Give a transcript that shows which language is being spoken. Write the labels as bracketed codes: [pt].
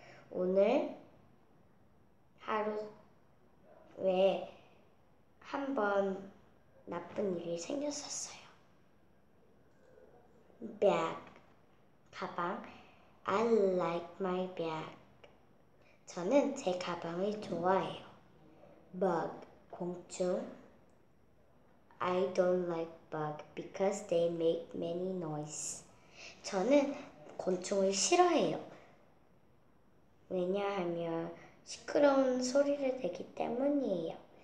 [ko] 오늘 하루 왜 한번 나쁜 일이 생겼었어요. [en] Bag, 가방. I like my bag. [ko] 저는 제 가방을 좋아해요. Bug, 곤충. [en] I don't like bug because they make many noise. [ko] 저는 곤충을 싫어해요. 왜냐하면 시끄러운 소리를 내기 때문이에요.